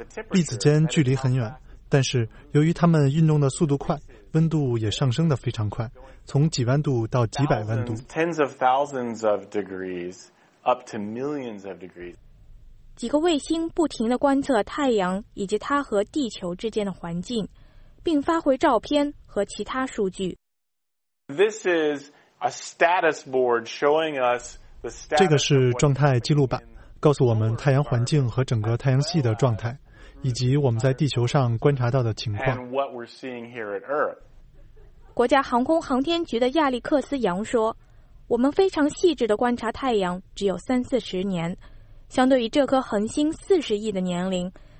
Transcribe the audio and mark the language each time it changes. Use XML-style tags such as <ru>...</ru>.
<zh>粒子间距离很远，但是由于它们运动的速度快，温度也上升得非常快，从几万度到几百万度。</zh> <en>Tens of thousands of degrees, up to millions of degrees.</en> <zh>几个卫星不停地观测太阳以及它和地球之间的环境，并发回照片和其他数据。</zh> <en>This is a status board showing us the status.</en> <zh>这个是状态记录板，告诉我们太阳环境和整个太阳系的状态，以及我们在地球上观察到的情况。</zh> <en>And what we're seeing here at Earth.</en> <zh>国家航空航天局的亚历克斯·杨说：“我们非常细致地观察太阳，只有30-40年，相对于这颗恒星40亿的年龄。”</zh>